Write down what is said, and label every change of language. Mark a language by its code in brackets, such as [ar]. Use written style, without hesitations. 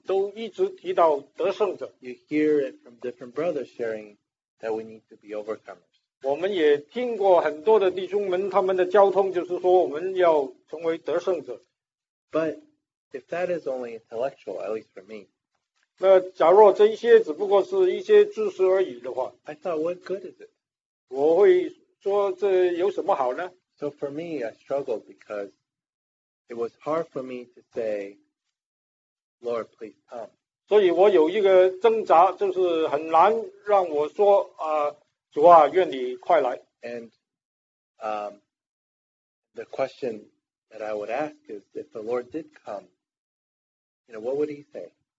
[zh] 当你去读这个启示录第二章、第三章，那里都一直提到得胜者。You [en] hear it from different brothers sharing that we need to be overcomers. [zh] 我们也听过很多的弟兄们他们的交通，就是说我们要成为得胜者。But [en] if that is only intellectual, at least for me, [zh] 那假若这一些只不过是一些知识而已的话, [en] I thought, what good is it? [zh] 我会说这有什么好呢? [en] So for me, I struggled because it was hard for me to say, Lord, please come. [zh] 所以我有一个挣扎，就是很难让我说，主啊，愿你快来。 [en] And the question that I would ask is, if the Lord did come, you know, what would He say?